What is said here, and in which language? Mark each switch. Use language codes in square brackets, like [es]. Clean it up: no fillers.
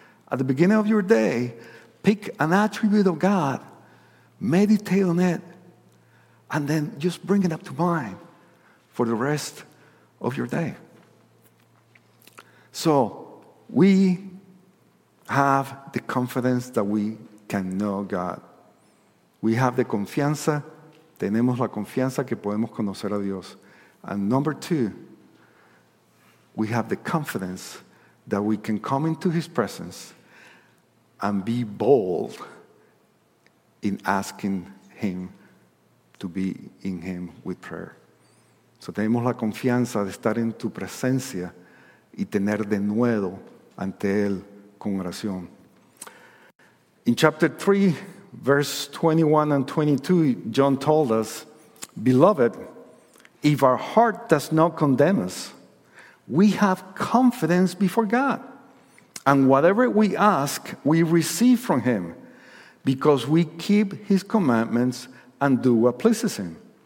[en] At the beginning of your day, pick an attribute of God, meditate on it, and then just bring it up to mind for the rest of your day. So we have the confidence that we can know God. We have the confianza. [es] Tenemos la confianza que podemos conocer a Dios. [en] And number two, we have the confidence that we can come into his presence and be bold in asking him to be in him with prayer. [es] So tenemos la confianza de estar en tu presencia y tener de nuevo ante él con oración. [en] In chapter 3, verse 21 and 22, John told us, "Beloved, if our heart does not condemn us, we have confidence before God. And whatever we ask, we receive from him, because we keep his commandments and do what pleases him."